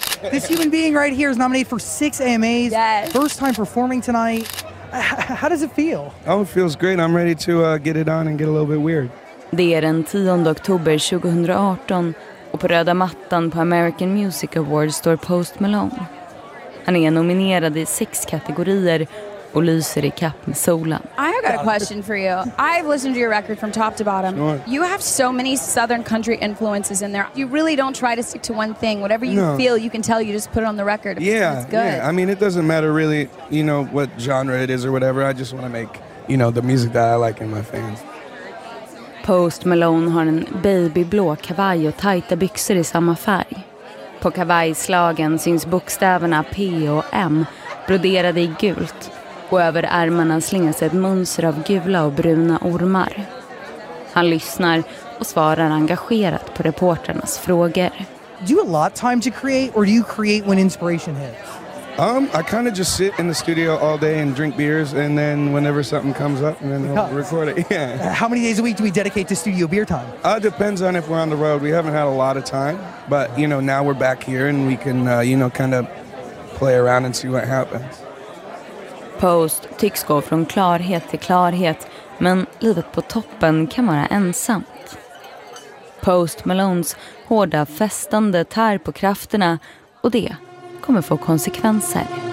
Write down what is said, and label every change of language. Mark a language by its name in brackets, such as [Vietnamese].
[English] This human being right here is nominated for 6 AMAs. Yes. First time performing tonight. How does it feel? Oh, it feels great. I'm ready to get it on and get a little bit weird. [Swedish] Det är den 10 oktober 2018 och på röda mattan på American Music Awards står Post Malone. Han är nominerad i 6 kategorier och lyser i kapp med solen. [English] I have got a question for you. I've listened to your record from top to bottom. Sure. You have so many southern country influences in there. You really don't try to stick to one thing. Whatever you feel, you can tell, you just put it on the record. Yeah, it's good. Yeah. I mean, it doesn't matter really, you know, what genre it is or whatever. I just want to make, you know, the music that I like and my fans. [Swedish] Post Malone har en babyblå kavaj och tajta byxor i samma färg. På kavajslagen syns bokstäverna P och M broderade i gult. Och över armarna slingas ett mönster av gula och bruna ormar. Han lyssnar och svarar engagerat på reporternas frågor. [English] Do you have a lot of time to create, or do you create when inspiration hits? I kind of just sit in the studio all day and drink beers, and then whenever something comes up, and then I'll record it. Yeah. How many days a week do we dedicate to studio beer time? Depends on if we're on the road. We haven't had a lot of time, but you know, now we're back here and we can kind of play around and see what happens. [Swedish] Post tycks gå från klarhet till klarhet, men livet på toppen kan vara ensamt. Post Malones hårda festande tär på krafterna och det kommer få konsekvenser.